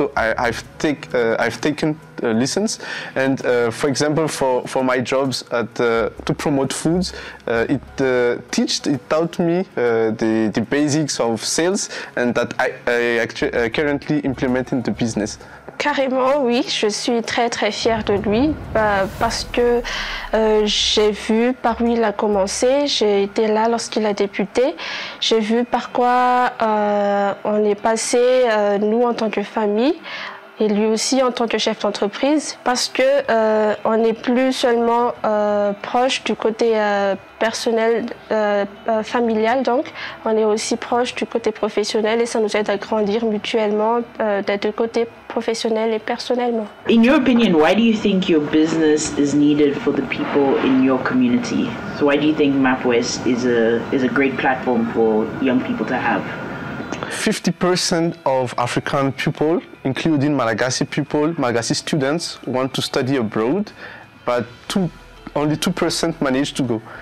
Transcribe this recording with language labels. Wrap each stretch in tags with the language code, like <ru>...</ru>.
<en>So I've taken lessons, and for example, for my jobs at to promote foods, it taught me the basics of sales, and that I currently implement in the business.</en> <fr>Carrément, oui, je suis très très fière de lui, parce que j'ai vu par où il a commencé, j'ai été là lorsqu'il a débuté, j'ai vu par quoi on est passé, nous en tant que famille, et lui aussi en tant que chef d'entreprise, parce que on n'est plus seulement proche du côté personnel, familial donc, on est aussi proche du côté professionnel et ça nous aide à grandir mutuellement, d'être de côté professionnel et personnellement.</fr> <en>In your opinion, why do you think your business is needed for the people in your community? So why do you think Mapwes is a great platform for young people to have? 50% of African people, including Malagasy people, Malagasy students, want to study abroad, but only 2% manage to go.</en>